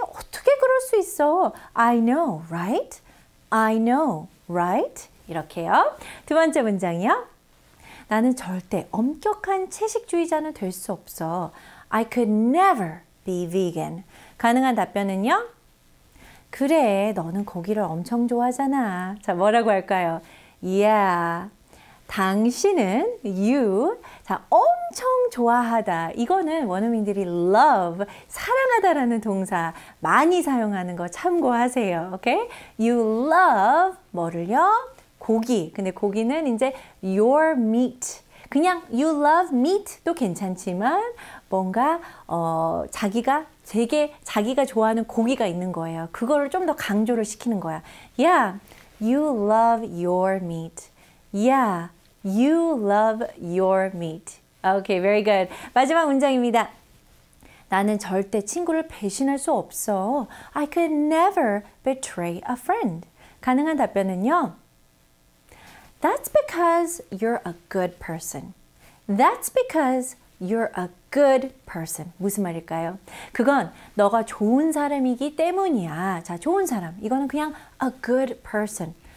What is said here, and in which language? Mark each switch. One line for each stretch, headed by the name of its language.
Korean: 어떻게 그럴 수 있어?
English: I know, right? I know, right?
Korean: 이렇게요. 두 번째 문장이요. 나는 절대 엄격한 채식주의자는 될 수 없어.
English: I could never be vegan.
Korean: 가능한 답변은요. 그래, 너는 고기를 엄청 좋아하잖아. 자, 뭐라고 할까요?
English: Yeah, 당신은 you.
Korean: 자, 엄청 좋아하다. 이거는 원어민들이 love, 사랑하다라는 동사 많이 사용하는 거 참고하세요.
English: Okay? You love
Korean: 뭐를요? 고기. 근데 고기는 이제 your meat. 그냥
English: you love meat
Korean: 도 괜찮지만 뭔가 자기가 좋아하는 고기가 있는 거예요. 그거를 좀 더 강조를 시키는 거야.
English: Yeah, you love your meat. Yeah, you love your meat. Okay, very good.
Korean: 마지막 문장입니다. 나는 절대 친구를 배신할 수 없어.
English: I could never betray a friend.
Korean: 가능한 답변은요.
English: That's because you're a good person. That's because you're a good person.
Korean: 무슨 말일까요? 그건 너가 좋은 사람이기 때문이야. 자, 좋은 사람. 이거는 그냥
English: a good person.